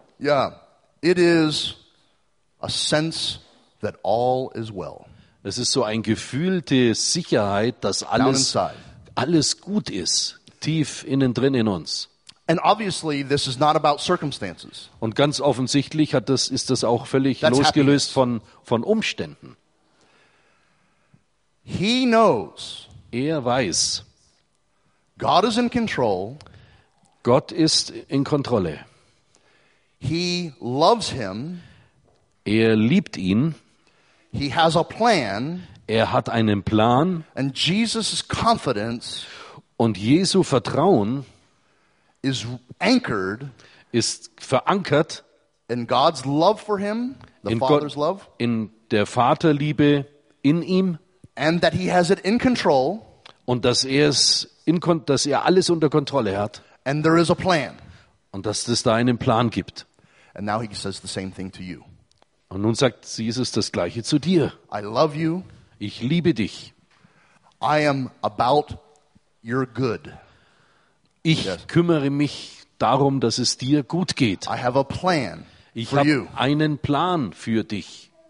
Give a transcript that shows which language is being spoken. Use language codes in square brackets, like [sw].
[en] Yeah, it is a sense that all is well. [de] Es ist so ein Gefühl der Sicherheit, dass alles gut ist, tief innen drin in uns. [en] And obviously this is not about circumstances. [de] Und ganz offensichtlich ist das auch völlig losgelöst von Umständen. [en] He knows. [de] Er weiß. [en] God is in control. [de] Gott ist in Kontrolle. [en] He loves him. [de] Er liebt ihn. [en] He has a plan. [de] Er hat einen Plan. [en] And Jesus' confidence. [de] Und Jesu Vertrauen [en] is anchored, [de] ist verankert [en] in God's love for him, the Father's love, [de] in der Vaterliebe in ihm, [en] and that he has it in control, [de] und dass er alles unter Kontrolle hat, [en] and there is a plan, [de] und dass es da einen Plan gibt. [en] And now he says the same thing to you. [de] Und nun sagt Jesus das gleiche zu dir. [en] I love you. [de] Ich liebe dich. [en] I am about your good. [de] Ich kümmere mich darum, dass es dir gut geht. [en] I have a plan. [de] Ich habe einen Plan für dich.